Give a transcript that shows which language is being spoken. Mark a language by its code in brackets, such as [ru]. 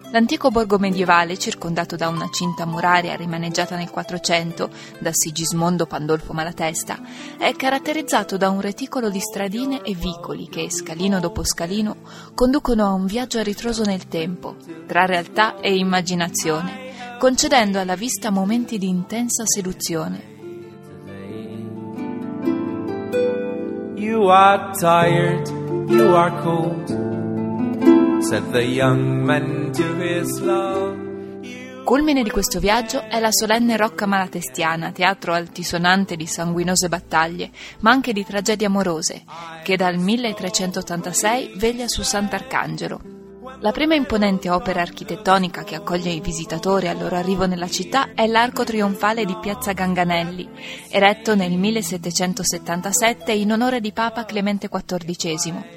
[it] L'antico borgo medievale, circondato da una cinta muraria rimaneggiata nel 400 da Sigismondo Pandolfo Malatesta, è caratterizzato da un reticolo di stradine e vicoli che, scalino dopo scalino, conducono a un viaggio a ritroso nel tempo, tra realtà e immaginazione, concedendo alla vista momenti di intensa seduzione. [en] You are tired, you are cold, said the young man to his love. [it] Culmine di questo viaggio è la solenne Rocca Malatestiana, teatro altisonante di sanguinose battaglie, ma anche di tragedie amorose, che dal 1386 veglia su Sant'Arcangelo. La prima imponente opera architettonica che accoglie i visitatori al loro arrivo nella città è l'Arco Trionfale di Piazza Ganganelli, eretto nel 1777 in onore di Papa Clemente XIV.